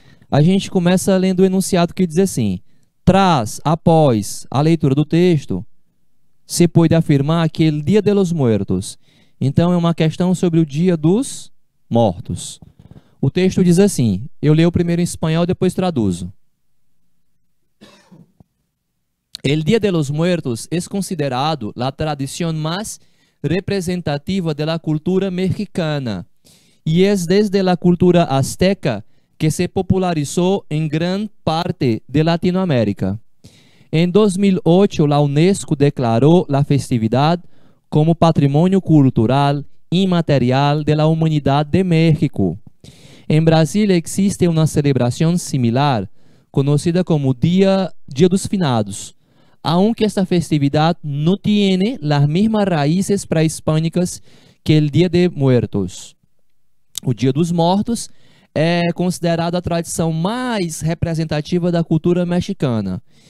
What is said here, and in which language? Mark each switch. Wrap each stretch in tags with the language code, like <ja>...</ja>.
<pt>A gente começa lendo o enunciado que diz assim: Tras, após a leitura do texto, se pode afirmar que el Día de los Muertos. Então, é uma questão sobre o dia dos mortos. O texto diz assim: eu leio primeiro em espanhol, depois traduzo.</pt> <es>El Día de los Muertos es considerado la tradición más representativa de la cultura mexicana y es desde la cultura azteca que se popularizó en gran parte de Latinoamérica. En 2008, la UNESCO declaró la festividad como patrimonio cultural inmaterial de la humanidad de México. En Brasil existe una celebración similar, conocida como Día dos Finados, aunque esta festividad no tiene las mismas raíces prehispánicas que el Día de Muertos.</es> <pt>O Día dos Mortos é considerada a tradição mais representativa da cultura mexicana.</pt>